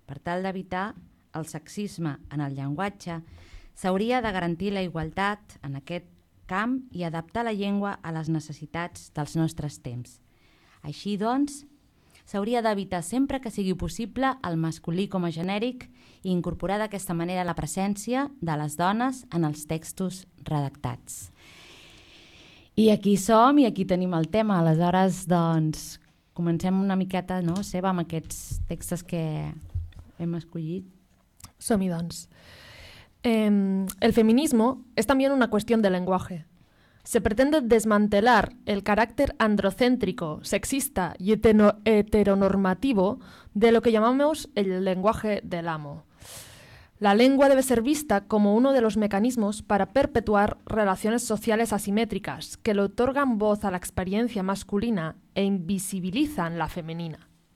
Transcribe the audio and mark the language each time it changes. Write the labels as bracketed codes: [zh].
[ca] Per tal d'evitar el sexisme en el llenguatge, s'hauria de garantir la igualtat en aquest camp i adaptar la llengua a les necessitats dels nostres temps. Així doncs, s'hauria d'evitar sempre que sigui possible el masculí com a genèric i incorporar d'aquesta manera la presència de les dones en els textos redactats. I aquí som i aquí tenim el tema. Aleshores, doncs, comencem una miqueta, no, Seba, amb aquests textos que hem escollit. Som-hi, doncs. [es] El feminismo es también una cuestión de lenguaje. Se pretende desmantelar el carácter androcéntrico, sexista y heteronormativo de lo que llamamos el lenguaje del amo. La lengua debe ser vista como uno de los mecanismos para perpetuar relaciones sociales asimétricas que le otorgan voz a la experiencia masculina e invisibilizan la femenina.